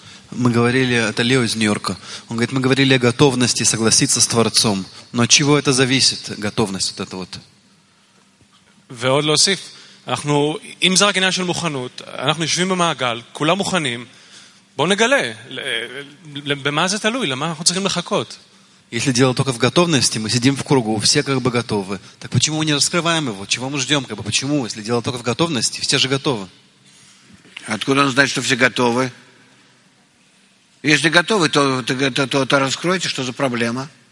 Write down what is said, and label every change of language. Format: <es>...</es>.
<ru>Мы говорили, это Лео из Нью-Йорка. Он говорит, мы говорили о готовности согласиться с Творцом. Но от чего это зависит, готовность вот эта вот?</ru> <he>ועוד להוסיף, אנחנו, אם זה רק עניין של מוכנות, אנחנו יושבים במעגל, כולם מוכנים, בוא נגלה, במה זה תלוי, למה אנחנו צריכים לחכות?</he> <ru>Если дело только в готовности, мы сидим в кругу, все как бы готовы. Так почему мы не раскрываем его? Чего мы ждем? Как бы почему? Если дело только в готовности, все же готовы. Откуда он знает, что все готовы? Если готовы, то раскройте, что за проблема?</ru>